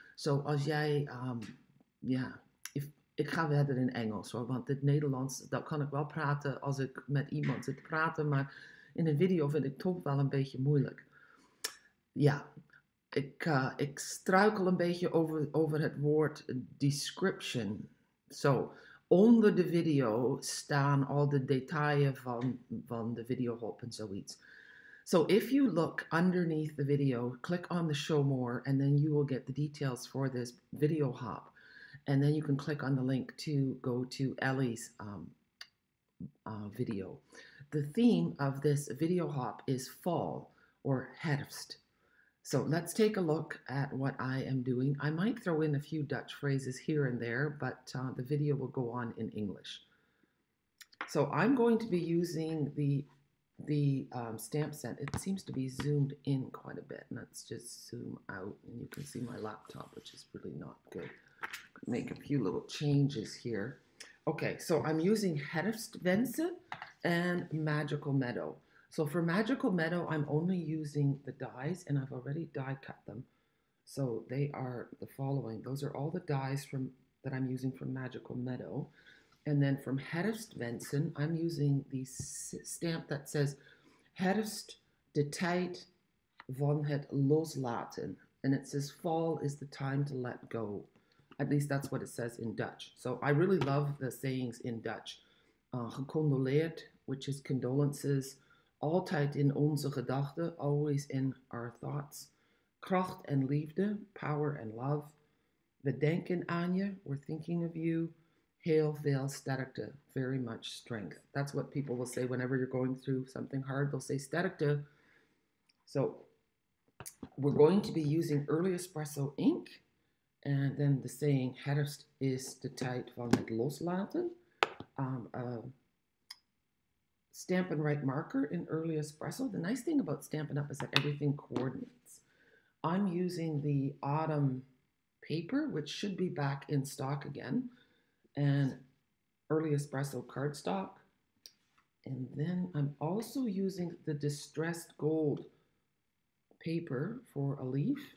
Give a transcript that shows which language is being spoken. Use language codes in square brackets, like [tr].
[nl] Zo so, als jij, ja. Ik ga verder in Engels hoor, want het Nederlands, dat kan ik wel praten als ik met iemand zit te praten, maar in een video vind ik het toch wel een beetje moeilijk. Ja, ik struikel een beetje over het woord description. Zo, onder de video staan al de details van de videohop en zoiets. [en] So if you look underneath the video, click on the show more and then you will get the details for this video hop. And then you can click on the link to go to Ellie's video. The theme of this video hop is fall or herfst. So let's take a look at what I am doing. I might throw in a few Dutch phrases here and there, but the video will go on in English. So I'm going to be using the stamp set. It seems to be zoomed in quite a bit. Let's just zoom out and you can see my laptop, which is really not good. Make a few little changes here. Okay, so I'm using Herfstwense and Magical Meadow. So for Magical Meadow, I'm only using the dies and I've already die cut them. So they are the following. Those are all the dies that I'm using from Magical Meadow. And then from Herfstwense, I'm using the stamp that says [nl] Herfst de tijd van het loslaten. [en] And it says fall is the time to let go. At least that's what it says in Dutch. So I really love the sayings in Dutch. [nl] Gecondoleerd, [en] which is condolences. [nl] Altijd in onze gedachten, [en] always in our thoughts. [nl] Kracht en liefde, [en] power and love. [nl] We denken aan je, [en] we're thinking of you. [nl] Heel veel sterkte, [en] very much strength. That's what people will say whenever you're going through something hard. They'll say sterkte. So we're going to be using early espresso ink. And then the saying, [nl] Herfst is de tijd van het loslaten. [en] Stampin' Write marker in early espresso. The nice thing about Stampin' Up! Is that everything coordinates. I'm using the autumn paper, which should be back in stock again. And early espresso cardstock. And then I'm also using the distressed gold paper for a leaf.